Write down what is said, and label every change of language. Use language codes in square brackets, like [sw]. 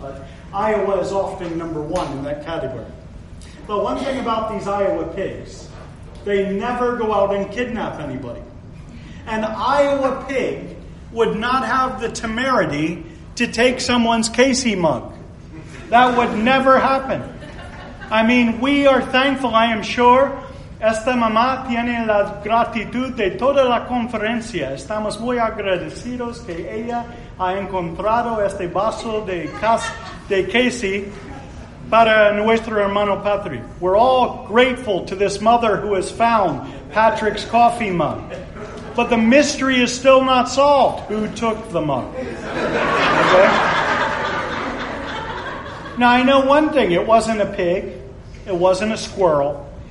[en] But Iowa is often number one in that category. But one thing about these Iowa pigs, they never go out and kidnap anybody. An Iowa pig would not have the temerity to take someone's Casey mug. That would never happen. I mean, we are thankful, I am sure. [es] Esta mamá tiene la gratitud de toda la conferencia. Estamos muy agradecidos que ella ha encontrado este vaso de Casey para nuestro hermano Patrick. [en] We're all grateful to this mother who has found Patrick's coffee mug. But the mystery is still not solved. Who took the mug? Okay. Now, I know one thing. It wasn't a pig. It wasn't a squirrel.